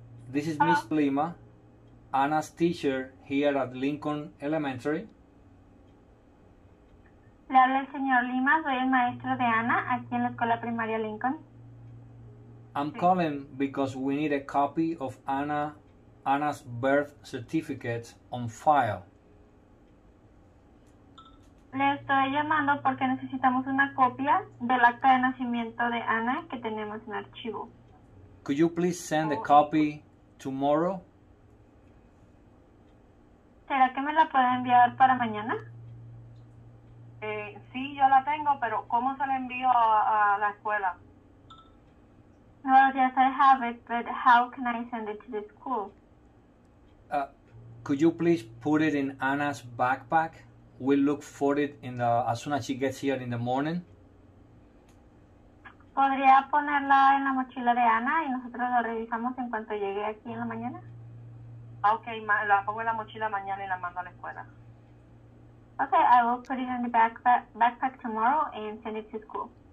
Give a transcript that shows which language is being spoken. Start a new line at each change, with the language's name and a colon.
English: This is Miss Lima, Anna's teacher here at Lincoln Elementary.
Spanish: Le habla el señor Lima, soy el maestro de Ana, aquí en la Escuela Primaria Lincoln.
English: I'm calling because we need a copy of Ana's birth certificate on file.
Spanish: Le estoy llamando porque necesitamos una copia del acta de nacimiento de Ana que tenemos en archivo.
English: Could you please send a copy tomorrow?
Spanish: ¿Será que me la puede enviar para mañana? Sí, yo la tengo, pero ¿cómo se la envío a la escuela?
English: Well, yes, I have it, but how can I send it to the school? Could you please put it in Anna's backpack? We'll look for it as soon as she gets here in the morning.
Spanish: ¿Podría ponerla en la mochila de Ana y nosotros la revisamos en cuanto llegue aquí en la mañana? Okay, la pongo en la mochila mañana y la mando a la escuela.
English: Okay, I will put it in the backpack tomorrow and send it to school.